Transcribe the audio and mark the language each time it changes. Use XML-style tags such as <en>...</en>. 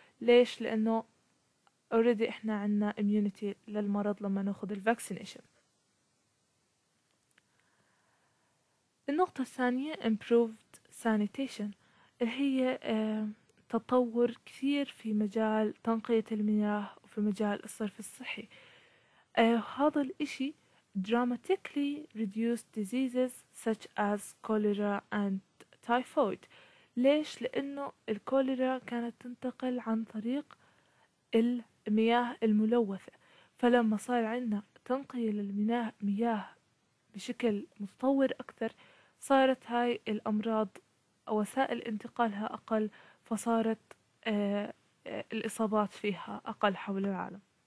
<ar>ليش؟ لأنه already إحنا عنا immunity للمرض لما نأخذ vaccination. النقطة الثانية improved sanitation، اللي هي تطور كثير في مجال تنقية المياه وفي مجال الصرف الصحي. هذا الإشي</ar> <en>dramatically reduced diseases such as cholera and typhoid.</en> <ar>ليش؟ لأنه الكوليرا كانت تنتقل عن طريق المياه الملوثة، فلما صار عندنا تنقية للمياه بشكل متطور أكثر، صارت هاي الأمراض وسائل انتقالها أقل، فصارت الإصابات فيها أقل حول العالم.</ar>